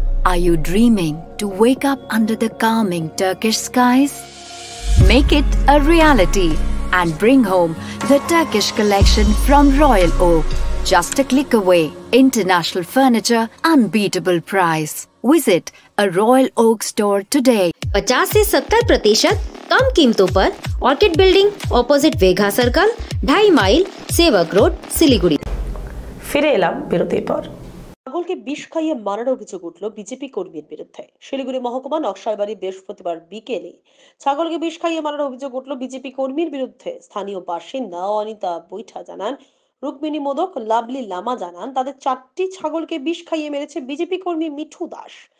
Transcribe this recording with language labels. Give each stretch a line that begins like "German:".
English: Are you dreaming to wake up under the calming Turkish skies? Make it a reality and bring home the Turkish collection from Royal Oak. Just a click away. International furniture, unbeatable price. Visit a Royal Oak store today.
Hindi: 50-70% कम कीमतों पर orchid building opposite वेघा circle, 2.5 mile सेवक road, Siliguri. फिर alum बिरते पर
Bangla: পাগল কে বিষ খাইয়ে মারার অভিযোগ উঠল বিজেপি কর্মীর বিরুদ্ধে। শিলিগুড়ি মহকুমা নকশালবাড়ি বৃহস্পতিবার বিকেলে ছাগল কে বিষ খাইয়ে মারার অভিযোগ উঠল বিজেপি কর্মীর বিরুদ্ধে। স্থানীয় বাসিন্দা অনিতা বৈঠা জানান, রুকমিনী মোদক, লাভলি লামা জানান, তাদের 4টি ছাগল কে বিষ খাইয়ে মেরেছে বিজেপি কর্মী মিঠু দাস।